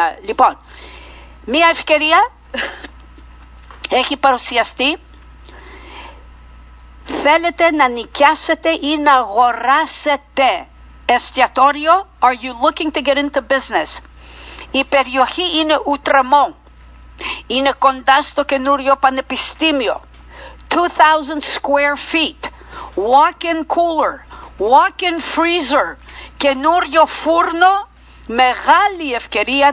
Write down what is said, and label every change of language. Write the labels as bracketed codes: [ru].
[el] Λοιπόν, μία ευκαιρία έχει παρουσιαστεί. Θέλετε να νοικιάσετε ή να αγοράσετε εστιατόριο? [en] Are you looking to get into business? [el] Η περιοχή είναι Outremont. Είναι κοντά στο καινούριο πανεπιστήμιο. [en] 2,000 square feet. Walk-in cooler. Walk-in freezer. [el] Καινούριο φούρνο. Μεγάλη ευκαιρία.